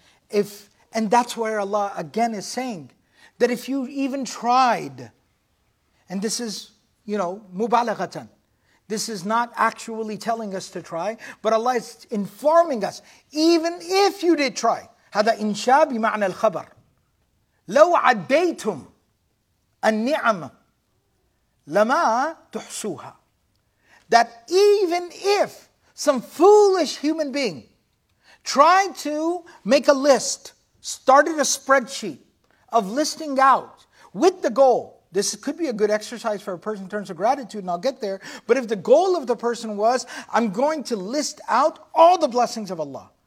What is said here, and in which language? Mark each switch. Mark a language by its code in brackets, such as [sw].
[en] If, and that's where Allah again is saying, that if you even tried, and this is, you know, mubalaghatan, this is not actually telling us to try, but Allah is informing us, even if you did try, [ar] هذا إنشاء بمعنى الخبر. لو عديتم النعم لما تحصوها. [en] That even if some foolish human being tried to make a list, started a spreadsheet, of listing out with the goal. This could be a good exercise for a person in terms of gratitude, and I'll get there. But if the goal of the person was, I'm going to list out all the blessings of Allah.